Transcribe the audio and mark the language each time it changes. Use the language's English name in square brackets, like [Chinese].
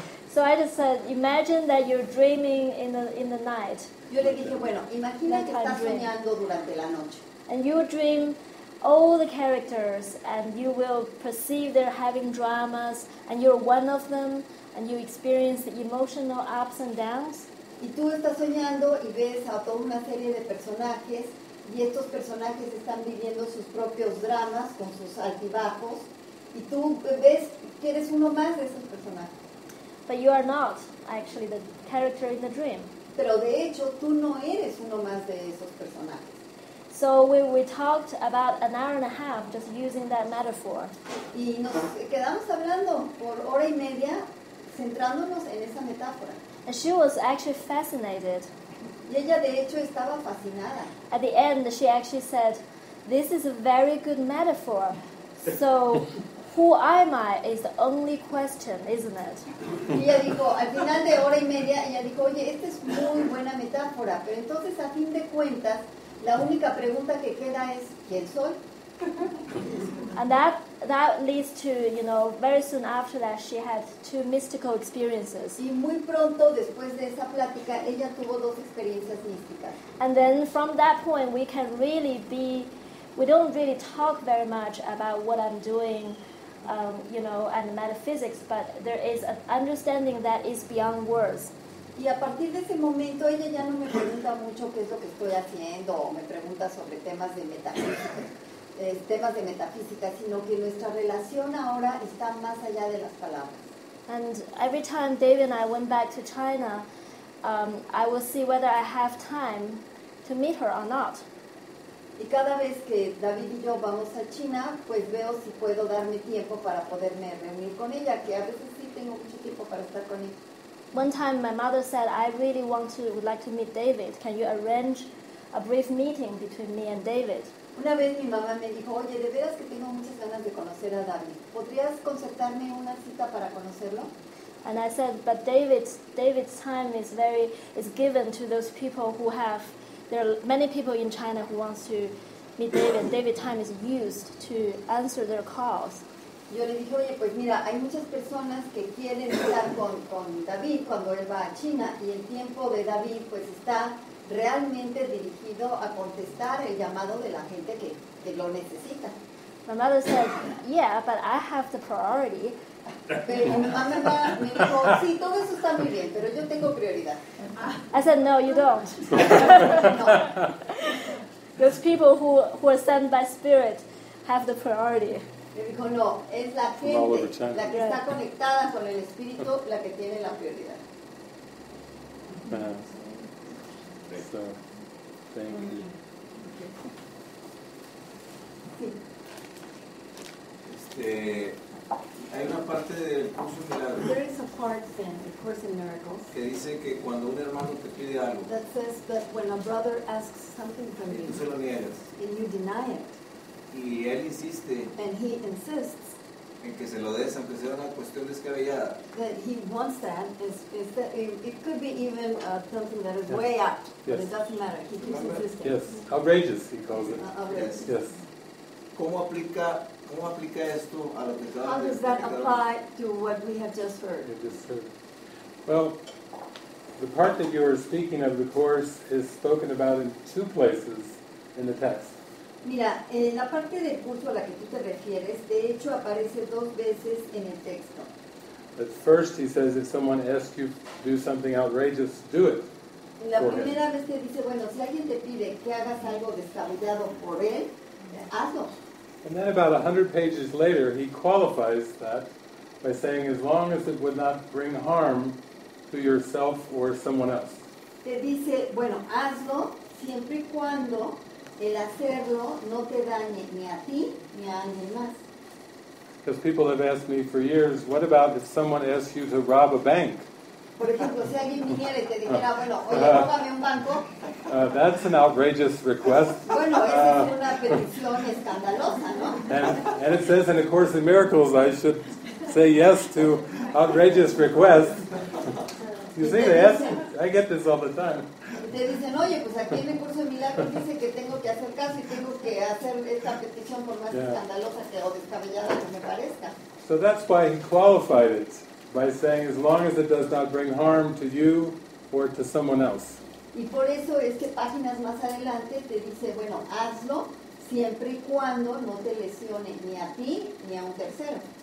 [English] So I just said, imagine that you're dreaming in the night. [Spanish] Yo le dije, bueno, imagina que estás soñando durante la noche. [English] And you dream all the characters and you will perceive they're having dramas and you're one of them and you experience the emotional ups and downs. [Spanish] Y tú estás soñando y ves a toda una serie de personajes. Y estos personajes están viviendo sus propios dramas con sus altibajos. Y tú ves que eres uno más de esos personajes. [English] But you are not actually the character in the dream. [Spanish] Pero de hecho, tú no eres uno más de esos personajes. [English] So we talked about an hour and a half just using that metaphor. [Spanish] Y nos quedamos hablando por hora y media centrándonos en esa metáfora. [English] And she was actually fascinated. [Spanish] Y ella de hecho estaba fascinada. [English] At the end, she actually said, "This is a very good metaphor. So, who am I? Is the only question, isn't it?" [Spanish] Y ella dijo, al final de hora y media, ella dijo, "Oye, esta es muy buena metáfora. Pero entonces, a fin de cuentas, la única pregunta que queda es, ¿quién soy?" [English] And that leads to, you know, very soon after that she had two mystical experiences. [Spanish] Y muy pronto después de esa plática ella tuvo dos experiencias místicas. [English] And then from that point we don't really talk very much about what I'm doing, you know, and metaphysics, but there is an understanding that is beyond words. [Spanish] Y a partir de ese momento ella ya no me pregunta mucho qué es lo que estoy haciendo, o me pregunta sobre temas de metafísica. Temas de metafísica, sino que nuestra relación ahora está más allá de las palabras. [English] And every time David and I went back to China, I will see whether I have time to meet her or not. [Spanish] Y cada vez que David y yo vamos a China, pues veo si puedo darme tiempo para poderme reunir con ella, que a veces sí tengo mucho tiempo para estar con ella. [English] One time my mother said, "I really would like to meet David. Can you arrange a brief meeting between me and David?" [Spanish] Una vez mi mamá me dijo, "Oye, de veras que tengo muchas ganas de conocer a David. ¿Podrías concertarme una cita para conocerlo?" [English] And I said, "But David's time is given to those people who have, there are many people in China who wants to meet David. David's time is used to answer their calls." [Spanish] Yo le dije, "Oye, pues mira, hay muchas personas que quieren estar con David cuando él va a China y el tiempo de David pues está realmente dirigido a contestar el llamado de la gente que lo necesita." [English] My mother said, "Yeah, but I have the priority." [Spanish] Pero mi mamá me dijo, "Sí, todo eso está muy bien, pero yo tengo prioridad." [English] I said, "No, you don't." [Spanish] No. [English] Those people who are sent by spirit have the priority. [Spanish] Me dijo, "No, es la gente, la que está conectada con el espíritu, la que tiene la prioridad." [English] So, thank you. [Spanish] Hay una parte del curso de milagros. [English] There is a part in the Course in Miracles [Spanish] que dice que cuando un hermano te pide algo, [English] that says that when a brother asks something from you, [Spanish] y tú se lo niegas, [English] and you deny it, [Spanish] y él insiste, [English] and he insists, [Spanish] en que se lo des, aunque sea una cuestión descabellada. [English] That he wants that is that it could be even something that is, yes, way out. Yes. But it doesn't matter. He keeps insisting. Yes, outrageous, he calls it. Outrageous. Yes. [Spanish] ¿Cómo aplica esto a lo que está? [English] How does that apply to what we have just heard? Well, the part that you are speaking of the course is spoken about in two places in the text. [Spanish] Mira, en la parte del curso a la que tú te refieres, de hecho aparece dos veces en el texto. [English] But first he says, if someone asks you to do something outrageous, do it. [Spanish] La primera vez te dice, bueno, si alguien te pide que hagas algo descabellado por él, hazlo. [English] And then about 100 pages later, he qualifies that by saying, as long as it would not bring harm to yourself or someone else. [Spanish] Te dice, bueno, hazlo siempre y cuando el hacerlo no te dañe ni a ti ni a alguien más. [English] Because people have asked me for years, what about if someone asks you to rob a bank? [Spanish] Por ejemplo, si alguien viniera y te dijera, bueno, oye, róbame un banco. [English] That's an outrageous request. [Spanish] Bueno, esa es una petición escandalosa, ¿no? [English] And it says in A Course in Miracles, I should say yes to outrageous requests. You see, they ask, I get this all the time. [Spanish] Te dicen, oye, pues aquí en el curso de milagros dice que tengo que hacer caso y tengo que hacer esta petición por más escandalosa o descabellada que me parezca. [English] So that's why he qualified it, by saying, as long as it does not bring harm to you or to someone else. [Spanish] Y por eso es que páginas más adelante te dice, bueno, hazlo siempre y cuando no te lesione ni a ti ni a un tercero.